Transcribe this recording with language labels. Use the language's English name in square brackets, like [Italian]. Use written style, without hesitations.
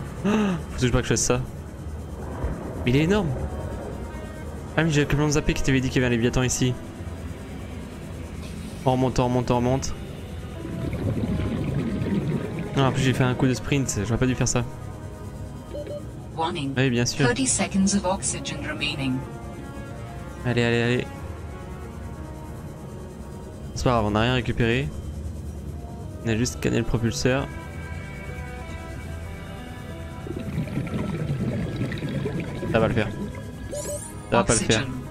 [French] Faut toujours pas que je fasse ça. Mais il est énorme. Ah mais j'avais complètement zappé qui t'avait dit qu'il y avait un Léviathan ici. On remonte, on remonte, on remonte. Non, en plus j'ai fait un coup de sprint, j'aurais pas dû faire ça. Oui bien sûr. [English] 30 seconds of oxygen remaining. [French] Allez, allez, allez. C'est pas grave, on a rien récupéré. On a juste scanné le propulseur. Ça va le faire. Ça va pas le faire.